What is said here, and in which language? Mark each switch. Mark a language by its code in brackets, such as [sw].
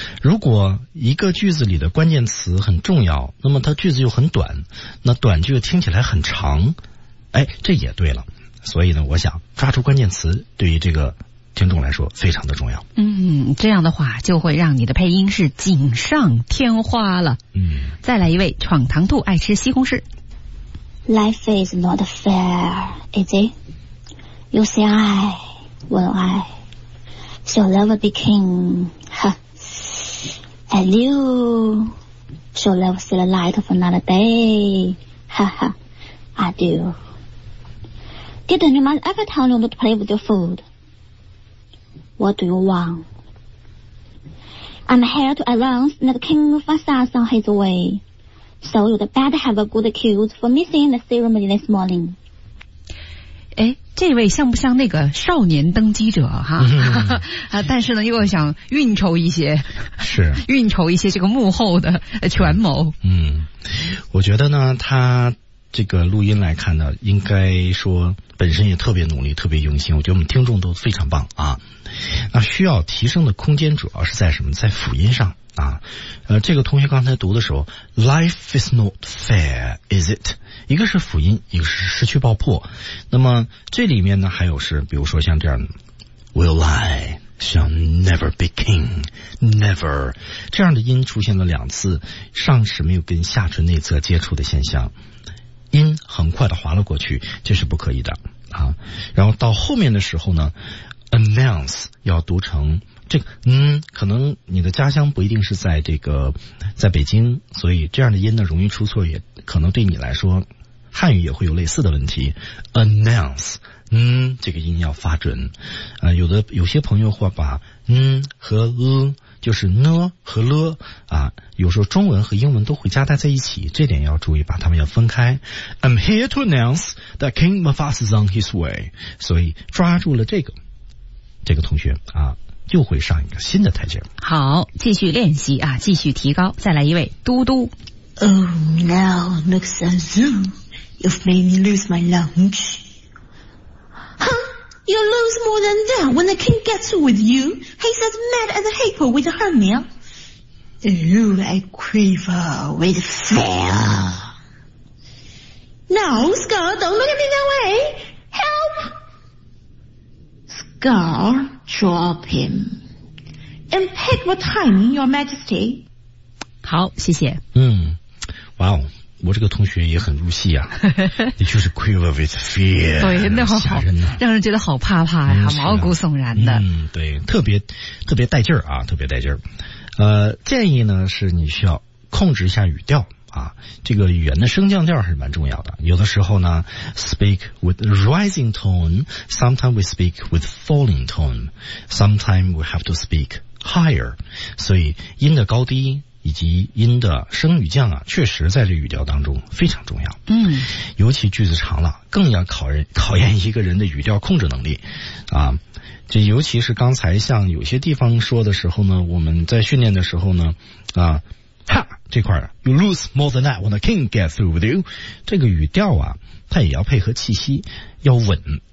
[zh] 如果一个句子里的关键词很重要，那么它句子又很短，那短句听起来很长，哎，这也对了。所以呢，我想抓住关键词对于这个听众来说非常的重要。嗯，这样的话就会让你的配音是锦上添花了。嗯，再来一位闯糖兔爱吃西红柿。 [en] Life is not fair, is it? You say I, well I shall never be king, huh? And you shall never see the light of another day, huh? I do. Didn't you mind every time you don't play with your foodWhat do you want? I'm here to announce that King Mufasa is on his way. So you'd better have a good excuse for missing the ceremony this morning. [zh] 哎，这位像不像那个少年登基者哈？啊，但是呢，又想运筹一些，是运筹一些这个幕后的权谋。嗯，我觉得呢，他这个录音来看呢，应该说本身也特别努力，特别用心，我觉得我们听众都非常棒啊。那需要提升的空间主要是在什么？在辅音上啊。这个同学刚才读的时候 ， [en] Life is not fair, is it？ [zh] 一个是辅音，一个是失去爆破。那么这里面呢，还有是比如说像这样 ， [en] Will I shall never be king, [zh] never 这样的音出现了两次，上齿没有跟下唇内侧接触的现象。音很快的滑了过去，这是不可以的啊。然后到后面的时候呢 ，announce 要读成这个，嗯，可能你的家乡不一定是在这个在北京，所以这样的音呢容易出错，也可能对你来说汉语也会有类似的问题。 announce， 嗯，这个音要发准啊。有些朋友会把嗯和就是呢和了啊，有时候中文和英文都会夹带在一起，这点要注意，把它们要分开。 [en] I'm here to announce that King Mufasa is on his way， [zh] 所以抓住了这个同学啊，就会上一个新的台阶。好，继续练习啊，继续提高。再来一位嘟嘟。 [en] Oh, now looks as though you've made me lose my lunch. Huh? You'll lose more than that when the king gets with you. He's as mad as a hippo with a hernia. You like quiver with fear. Now, Scar, don't look at me that way. Help! Scar, drop him. And pick what time, your majesty. [zh] 好，谢谢。嗯，哇哦。我这个同学也很入戏啊，你就是 [en] quiver with fear， [zh] 对，那好吓人呢、啊，让人觉得好怕怕呀、啊嗯，毛骨悚然的。嗯，对，特别带劲儿啊，特别带劲儿。建议呢是你需要控制一下语调啊，这个语言的升降调还是蛮重要的。有的时候呢 [en] ，speak with rising tone，sometimes we speak with falling tone，sometimes we have to speak higher， [zh] 所以音的高低。以及音的升与降啊，确实在这语调当中非常重要。嗯，尤其句子长了，更要考验一个人的语调控制能力啊。这尤其是刚才像有些地方说的时候呢，我们在训练的时候呢，啊，哈这块 ， [en] You lose more than that when the king gets through with you， [zh] 这个语调啊，它也要配合气息，要稳。